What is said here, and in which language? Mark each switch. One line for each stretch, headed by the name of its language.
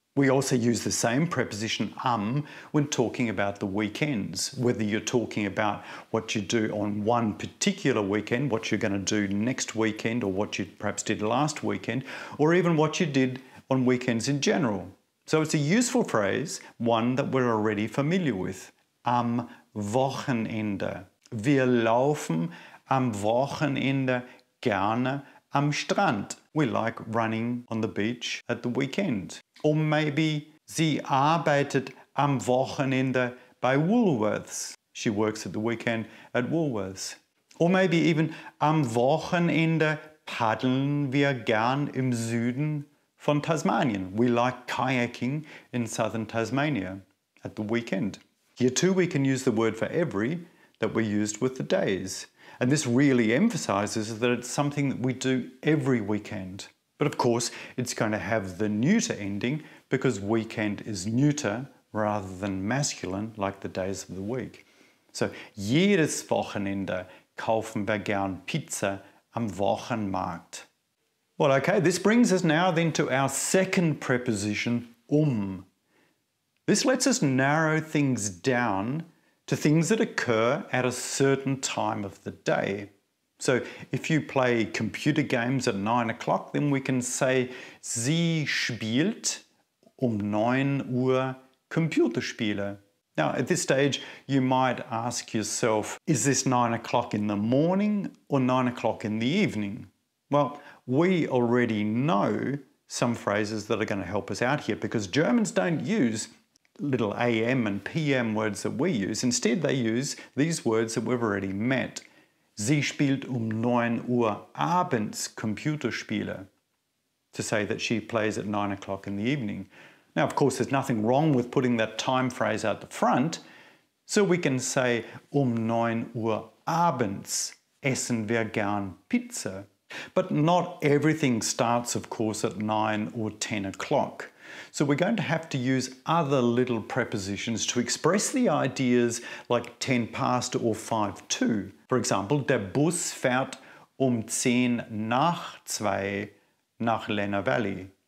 English: We also use the same preposition am when talking about the weekends, whether you're talking about what you do on one particular weekend, what you're going to do next weekend, or what you perhaps did last weekend, or even what you did on weekends in general. So it's a useful phrase, one that we're already familiar with.
German: Am Wochenende. Wir laufen am Wochenende gerne am Strand.
English: We like running on the beach at the weekend. Or maybe,
German: sie arbeitet am Wochenende bei Woolworths.
English: She works at the weekend at Woolworths. Or maybe even,
German: am Wochenende paddeln wir gern im Süden von Tasmanien.
English: We like kayaking in southern Tasmania at the weekend. Here too, we can use the word for every that we used with the days. And this really emphasizes that it's something that we do every weekend. But of course, it's going to have the neuter ending because weekend is neuter rather than masculine like the days of the week.
German: So, jedes Wochenende kaufen wir gern Pizza am Wochenmarkt.
English: Well, okay, this brings us now then to our second preposition, This lets us narrow things down to things that occur at a certain time of the day. So if you play computer games at 9 o'clock, then we can say,
German: sie spielt 9 Uhr Computerspiele.
English: Now, at this stage, you might ask yourself, is this 9 o'clock in the morning or 9 o'clock in the evening? Well, we already know some phrases that are going to help us out here because Germans don't use little AM and PM words that we use. Instead, they use these words that we've already met.
German: Sie spielt 9 Uhr abends Computerspiele,
English: to say that she plays at 9 o'clock in the evening. Now, of course, there's nothing wrong with putting that time phrase out the front. So we can say,
German: 9 Uhr abends essen wir gern Pizza.
English: But not everything starts, of course, at 9 or 10 o'clock. So we're going to have to use other little prepositions to express the ideas like 10 past or 5 to. For example,
German: der Bus fährt 10 nach 2 nach Lena Valley.